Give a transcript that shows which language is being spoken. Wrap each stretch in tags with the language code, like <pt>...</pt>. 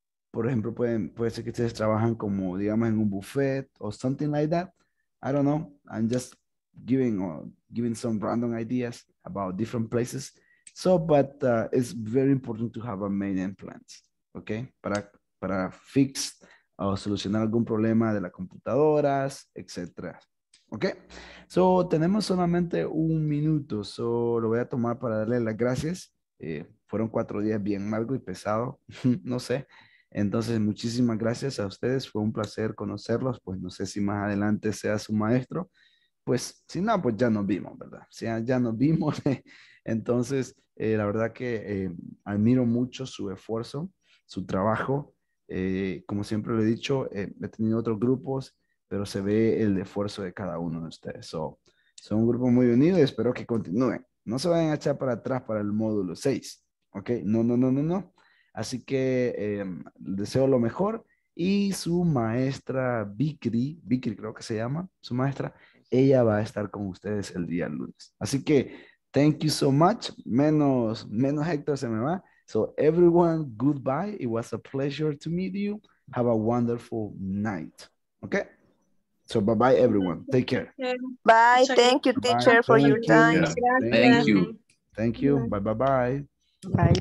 <es>Por ejemplo, puede ser que ustedes trabajan como, digamos, en un buffet o</es> <en>something like that. I don't know. I'm just giving some random ideas about different places. So, but it's very important to have a maintenance plan, okay?</en> <es>Para fix o solucionar algún problema de las computadoras, etcétera. Ok, so tenemos solamente 1 minuto, so lo voy a tomar para darle las gracias. Fueron 4 días bien largo y pesado, no sé. Entonces, muchísimas gracias a ustedes, fue un placer conocerlos. Pues no sé si más adelante sea su maestro. Pues si no, pues ya nos vimos, ¿verdad? O sea, ya nos vimos. Entonces, la verdad que admiro mucho su esfuerzo, su trabajo. Como siempre lo he dicho, he tenido otros grupos, pero se ve el esfuerzo de cada uno de ustedes. So, son un grupo muy unido y espero que continúen. No se vayan a echar para atrás para el módulo 6. ¿Ok? No. Así que deseo lo mejor y su maestra Vicky, Vicky creo que se llama, su maestra, ella va a estar con ustedes el día lunes. Así que,</es> <en>thank you so much,</en> <es>menos Héctor se me va.</es> <en>So everyone, goodbye, it was a pleasure to meet you. Have a wonderful night, okay? So bye-bye everyone, take care. Bye, thank you teacher for your time. Thank you. Thank you, bye-bye. Bye</en>